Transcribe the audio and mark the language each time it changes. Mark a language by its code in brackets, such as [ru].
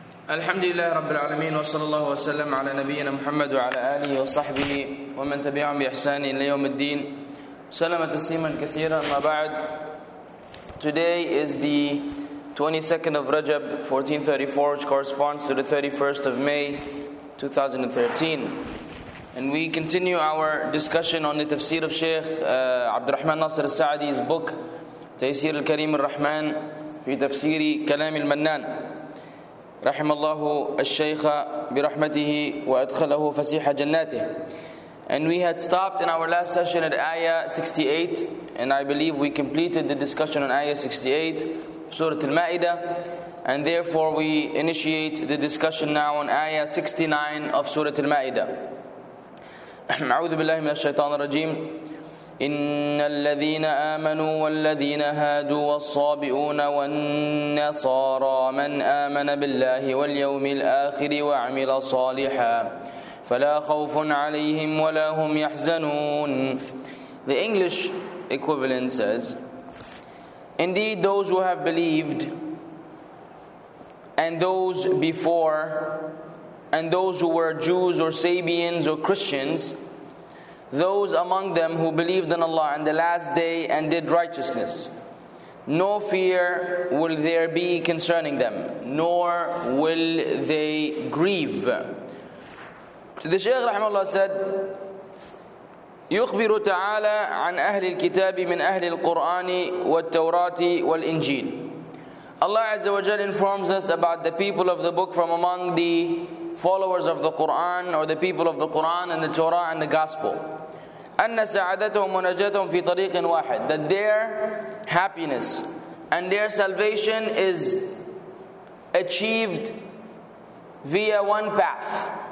[ar] الحمد لله رب العالمين وصلى الله وسلم على نبينا محمد وعلى آله وصحبه ومن تبعهم بإحسان إلى يوم الدين سلم تسليما كثيرا ما بعد. [en] Today is the 22nd of Rajab 1434, which corresponds to the 31st of May 2013, and we continue our discussion on the tafsir of Sheikh Abd al-Rahman Nasir al-Sa'di's book Tafsir al-Karim al-Rahman fi tafsiri Kalam al-Mannan [ar] رحم الله الشيخ برحمته وأدخله فسيح جناته. [en] And we had stopped in our last session at Ayah 68, and I believe we completed the discussion on Ayah 68, Surah Al-Ma'idah, and therefore we initiate the discussion now on Ayah 69 of Surah Al-Ma'idah. [ar] أعوذ بالله من الشيطان الرجيم. إن الذين آمنوا والذين هادوا والصابئون والنصارى من آمن بالله واليوم الآخر وعمل صالحا فلا خوف عليهم ولا هم يحزنون. [en] The English equivalent says, indeed those who have believed and those before and those who were Jews or Sabians or Christians, those among them who believed in Allah and the last day and did righteousness, no fear will there be concerning them, nor will they grieve. So the Shaykh rahimahullah said, [ar] يخبر تعالى عن أهل الكتاب من أهل القرآن والتوراة والإنجيل. [en] Allah Azza wa Jalla informs us about the people of the book from among the followers of the Quran, or the people of the Quran and the Torah and the Gospel. [ar] أن سعادتهم ونجاتهم في طريق واحد, [en] that their happiness and their salvation is achieved via one path.